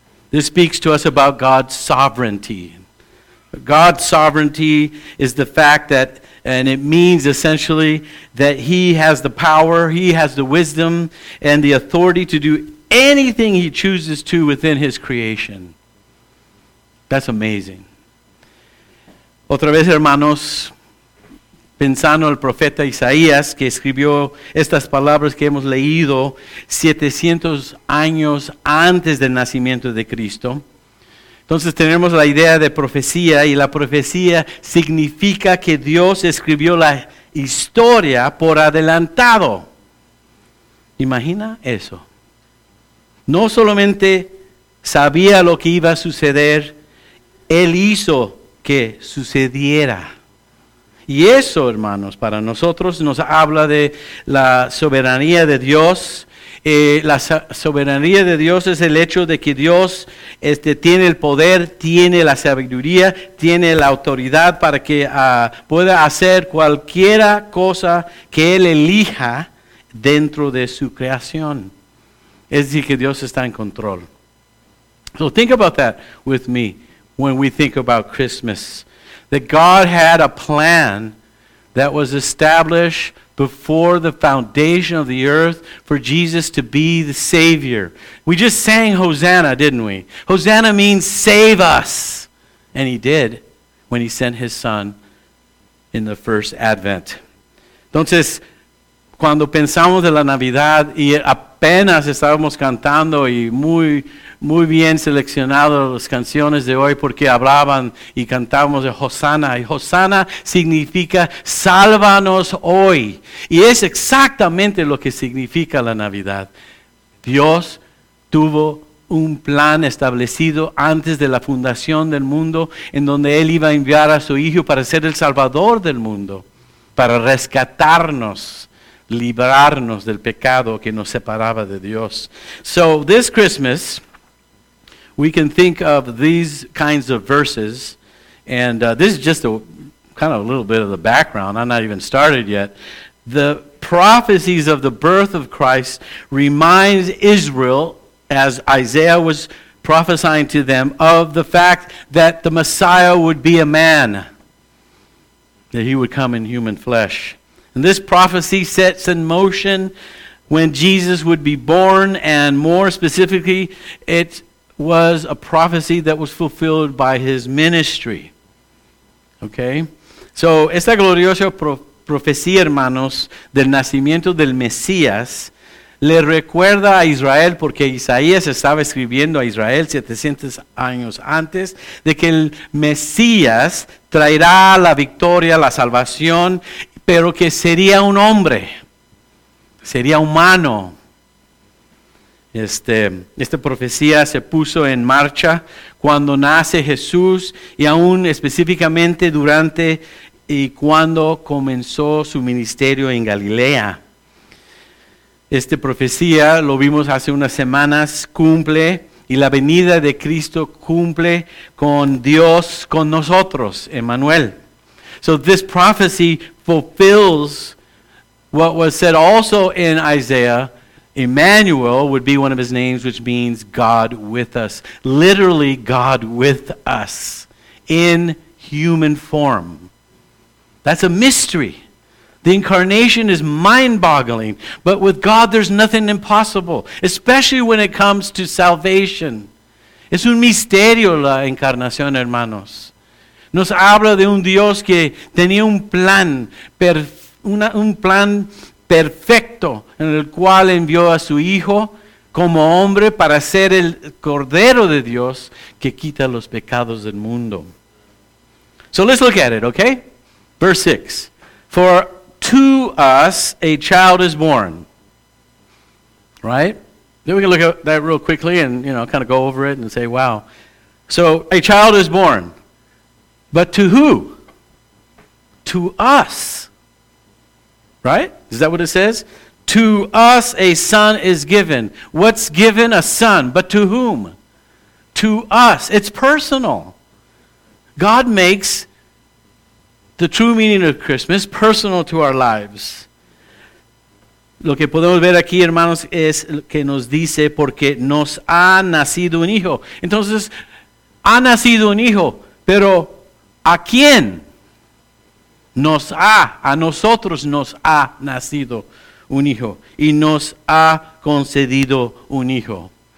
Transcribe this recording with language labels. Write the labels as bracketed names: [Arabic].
[English] This speaks to us about God's sovereignty. God's sovereignty is the fact that, and it means essentially that he has the power, he has the wisdom, and the authority to do anything he chooses to within his creation. That's amazing. [Spanish] Otra vez, hermanos, pensando el profeta Isaías, que escribió estas palabras que hemos leído 700 años antes del nacimiento de Cristo. Entonces tenemos la idea de profecía, y la profecía significa que Dios escribió la historia por adelantado. Imagina eso. No solamente sabía lo que iba a suceder, él hizo que sucediera. Y eso, hermanos, para nosotros nos habla de la soberanía de Dios. La soberanía de Dios es el hecho de que Dios tiene el poder, tiene la sabiduría, tiene la autoridad para que pueda hacer cualquiera cosa que Él elija dentro de su creación. Es decir, que Dios está en control. [English] So think about that with me. When we think about Christmas, that God had a plan that was established before the foundation of the earth for Jesus to be the Savior. We just sang Hosanna, didn't we? Hosanna means save us. And he did when he sent his son in the first advent. [Spanish] Entonces, cuando pensamos en la Navidad y apenas estábamos cantando y muy bien seleccionadas las canciones de hoy porque hablaban y cantábamos de Hosanna. Y Hosanna significa sálvanos hoy. Y es exactamente lo que significa la Navidad. Dios tuvo un plan establecido antes de la fundación del mundo en donde Él iba a enviar a su Hijo para ser el Salvador del mundo, para rescatarnos, librarnos del pecado que nos separaba de Dios. [English] So, this Christmas, we can think of these kinds of verses, and this is just a kind of a little bit of the background. I'm not even started yet. The prophecies of the birth of Christ reminds Israel, as Isaiah was prophesying to them, of the fact that the Messiah would be a man, that he would come in human flesh. And this prophecy sets in motion when Jesus would be born, and more specifically, it was a prophecy that was fulfilled by his ministry. Okay? [Spanish] So, esta gloriosa profecía, hermanos, del nacimiento del Mesías, le recuerda a Israel, porque Isaías estaba escribiendo a Israel 700 años antes, de que el Mesías traerá la victoria, la salvación, pero que sería un hombre, sería humano. Esta profecía se puso en marcha cuando nace Jesús, y aún específicamente durante y cuando comenzó su ministerio en Galilea. Esta profecía, lo vimos hace unas semanas, cumple, y la venida de Cristo cumple con Dios, con nosotros, Emmanuel. [English] So this prophecy fulfills what was said also in Isaiah. Emmanuel would be one of his names, which means God with us. Literally, God with us in human form. That's a mystery. The incarnation is mind-boggling. But with God, there's nothing impossible, especially when it comes to salvation. [Spanish] Es un misterio la encarnación, hermanos. Nos habla de un Dios que tenía un plan perfecto en el cual envió a su Hijo como hombre para ser el Cordero de Dios que quita los pecados del mundo. [English] So let's look at it, okay? Verse 6. For to us a child is born. Right? Then we can look at that real quickly and, you know, kind of go over it and say, wow. So a child is born. But to who? To us. Right? Is that what it says? To us a son is given. What's given? A son. But to whom? To us. It's personal. God makes the true meaning of Christmas personal to our lives. [Spanish] Lo que podemos ver aquí, hermanos, es que nos dice porque nos ha nacido un hijo. Entonces, ha nacido un hijo, pero ¿a quién? Nos ha, a nosotros nos ha nacido un hijo y nos ha concedido un hijo.